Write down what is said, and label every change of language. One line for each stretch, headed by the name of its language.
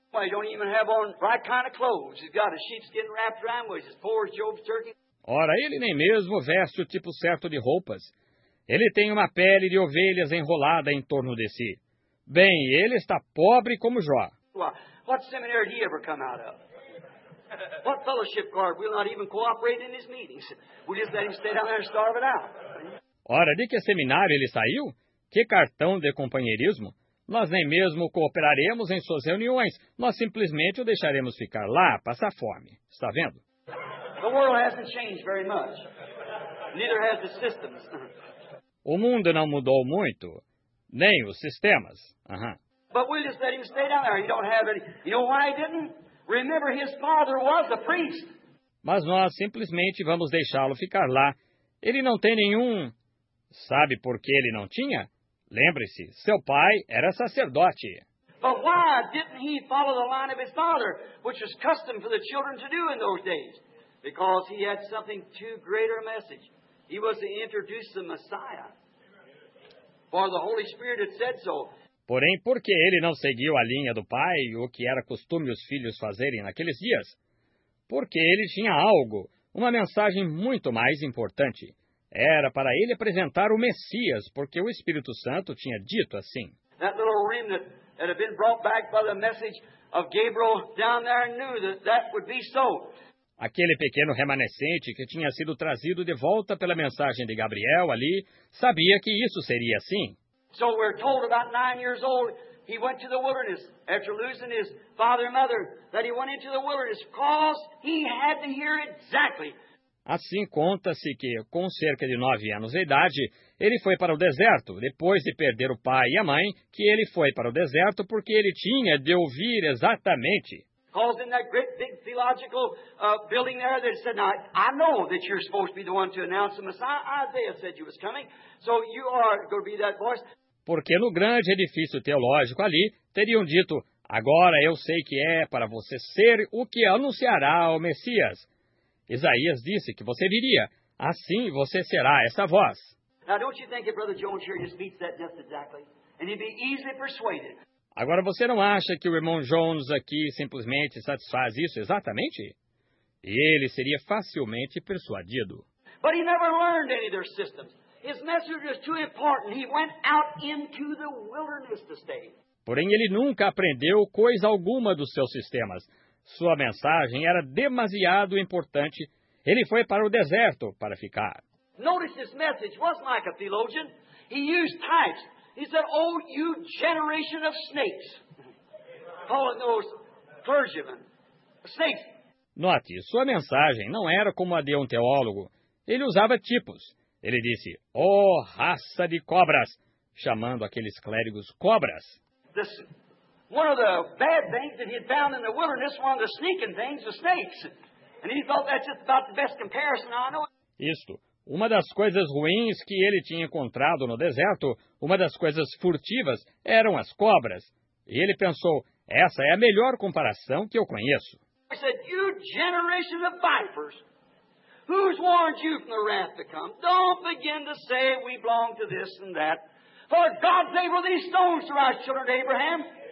English: Well, he don't even have on right kind of clothes. He's got a sheepskin wrapped around him, which is poor as Job's turkey.
Portuguese: Ora, ele nem mesmo veste o tipo certo de roupas. Ele tem uma pele de ovelhas enrolada em torno de si. Bem, ele está pobre como Jó.
English: What seminary did he ever come out of? What fellowship guard will not even cooperate in his meetings? We'll just let him stay down there and starve it out.
Portuguese: Ora, de que seminário ele saiu? Que cartão de companheirismo? Nós nem mesmo cooperaremos em suas reuniões. Nós simplesmente o deixaremos ficar lá, passar fome. Está vendo?
English: The world hasn't changed very much. Neither has the systems.
Portuguese: O mundo não mudou muito, nem os sistemas.
English: But we'll just let him stay down there. He don't have any. You know why he didn't? Remember, his father was a priest.
Portuguese: Mas nós simplesmente vamos deixá-lo ficar lá. Ele não tem nenhum. Sabe por que ele não tinha? Lembre-se, seu pai era sacerdote.
English: But why didn't he follow the line of his father, which was custom for the children to do in those days? Because he had something too greater a message. He was to introduce the Messiah. For the Holy Spirit had said so.
Portuguese: Porém, por que ele não seguiu a linha do pai, o que era costume os filhos fazerem naqueles dias? Porque ele tinha algo, uma mensagem muito mais importante. Era para ele apresentar o Messias, porque o Espírito Santo tinha dito assim.
English: That little remnant that had been brought back by the message of Gabriel down there knew that that would be so.
Portuguese: Aquele pequeno remanescente que tinha sido trazido de volta pela mensagem de Gabriel ali, sabia que isso seria assim.
English: So we're told about 9 years old, he went to the wilderness after losing his father and mother, that he went into the wilderness because he had to hear exactly.
Portuguese: Assim conta-se que, com cerca de 9 anos de idade, ele foi para o deserto, depois de perder o pai e a mãe, que ele foi para o deserto porque ele tinha de ouvir exatamente.
English: Because in that great big theological building there, they said, now, I know that you're supposed to be the one to announce the Messiah. Isaiah said you was coming, so you are going to be that voice.
Portuguese: Porque no grande edifício teológico ali, teriam dito, agora eu sei que é para você ser o que anunciará o Messias. Isaías disse que você viria, assim você será essa voz.
English: Now, don't you think if Brother Jones here just beats that just exactly, and he'd be easily persuaded.
Portuguese: Agora, você não acha que o irmão Jones aqui simplesmente satisfaz isso exatamente? E ele seria facilmente persuadido.
English: But he never learned any of their systems. His message was too important. He went out into the wilderness to stay.
Portuguese: Porém, ele nunca aprendeu coisa alguma dos seus sistemas. Sua mensagem era demasiado importante. Ele foi para o deserto para ficar.
English: Notice his message wasn't like a theologian. He used types. He said, oh, you generation of snakes, calling those clergymen snakes.
Portuguese: Note, sua mensagem não era como a de um teólogo. Ele usava tipos. Ele disse, oh, raça de cobras, chamando aqueles clérigos cobras.
English: This, one of the bad things that he had found in the wilderness, one of the sneaking things, the snakes. And he thought that's just about the best comparison I know.
Portuguese: Isto. Uma das coisas ruins que ele tinha encontrado no deserto, uma das coisas furtivas, eram as cobras. E ele pensou, essa é a melhor comparação que eu conheço. Ele disse,
English: you generation of vipers, who's warned you from the wrath to come? Don't begin to say we belong to this and that. For God's able these stones to our children, Abraham.